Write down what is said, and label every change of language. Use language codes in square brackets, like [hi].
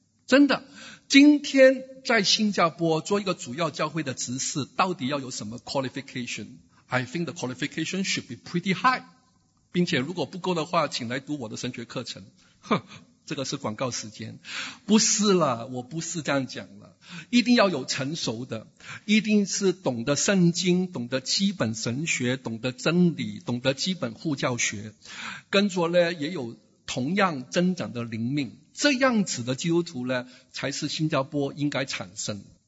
[zh] 真的，今天在新加坡做一个主要教会的执事，到底要有什么 qualification？ [en] I think the qualification should be pretty high。 [zh] 并且如果不够的话，请来读我的神学课程。这个是广告时间。不是了，我不是这样讲了。一定要有成熟的，一定是懂得圣经，懂得基本神学，懂得真理，懂得基本护教学，跟着呢也有同样增长的灵命，这样子的基督徒呢才是新加坡应该产生。